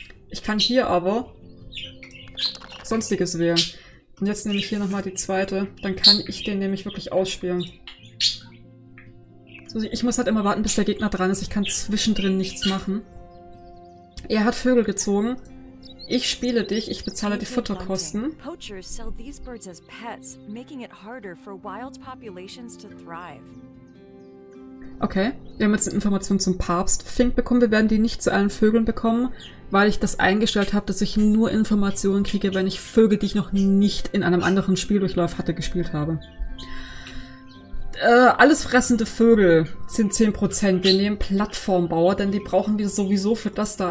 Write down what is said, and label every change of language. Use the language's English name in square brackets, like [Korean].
[German] Ich kann hier aber Sonstiges wählen. Und jetzt nehme ich hier nochmal die zweite. Dann kann ich den nämlich wirklich ausspielen. So, ich muss halt immer warten, bis der Gegner dran ist. Ich kann zwischendrin nichts machen. Er hat Vögel gezogen. Ich spiele dich, ich bezahle die Futterkosten. [English] Poachers sell these birds as pets, making it harder for wild populations to thrive. [German] Okay, wir haben jetzt eine Information zum Papst Fink bekommen. Wir werden die nicht zu allen Vögeln bekommen, weil ich das eingestellt habe, dass ich nur Informationen kriege, wenn ich Vögel, die ich noch nicht in einem anderen Spieldurchlauf hatte, gespielt habe. Allesfressende Vögel sind 10%. Wir nehmen Plattformbauer, denn die brauchen wir sowieso für das da.